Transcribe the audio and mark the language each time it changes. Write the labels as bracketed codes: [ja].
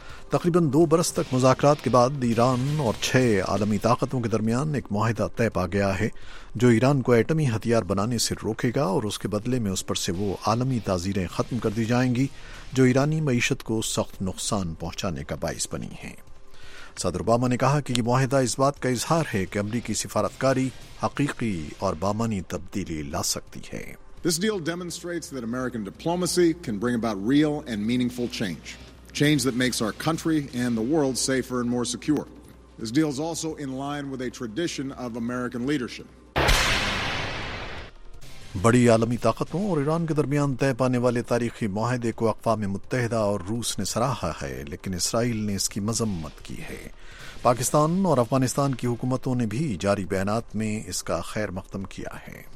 [ur] تقریباً 2 برس تک مذاکرات کے بعد ایران اور 6 عالمی طاقتوں کے درمیان ایک معاہدہ طے پا گیا ہے جو ایران کو ایٹمی ہتھیار بنانے سے روکے گا، اور اس کے بدلے میں اس پر سے وہ عالمی تعزیریں ختم کر دی جائیں گی جو ایرانی معیشت کو سخت نقصان پہنچانے کا باعث بنی ہیں. صدر اوباما نے کہا کہ یہ معاہدہ اس بات کا اظہار ہے کہ امریکی سفارتکاری حقیقی اور بامانی تبدیلی لا سکتی ہے. [en] This deal demonstrates that American diplomacy can bring about real and meaningful change. Change that makes our country and the world safer and more secure. This deal is also in line with a tradition of American leadership. [ur] بڑی عالمی طاقتوں اور ایران کے درمیان طے پانے والے تاریخی معاہدے کو اقوام متحدہ اور روس نے سراہا ہے، لیکن اسرائیل نے اس کی مذمت کی ہے. پاکستان اور افغانستان کی حکومتوں نے بھی جاری بیانات میں اس کا خیر مقدم کیا ہے.